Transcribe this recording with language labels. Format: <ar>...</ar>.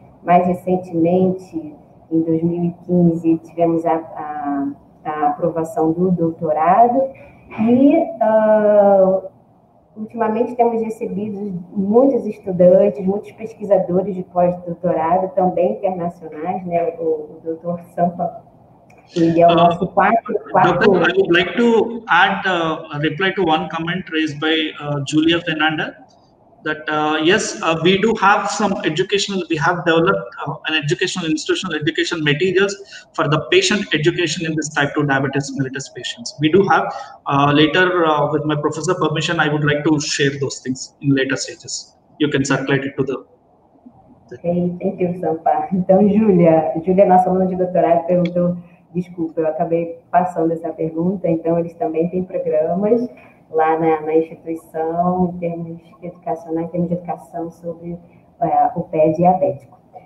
<pt>Mais recentemente, em 2015, tivemos a aprovação do doutorado. E, ultimamente, temos recebido muitos estudantes, muitos pesquisadores de pós-doutorado, também internacionais, né? O doutor Sampa, ele é o nosso quarto.</pt> <en>Doutor, I would like to add a reply to one comment raised by Julia Fernanda, that we do have some educational, we have developed an educational, institutional education materials for the patient education in this type 2 diabetes mellitus patients. We do have, later with my professor permission, I would like to share those things in later stages. You can circulate it to the... Okay, thank you, Sampa.</en> <pt>Então, Julia, nossa aluna de doutorado, perguntou, desculpa, eu acabei passando essa pergunta, então eles também têm programas lá na instituição, em termos educacionais, em termos de educação sobre o pé diabético.</pt>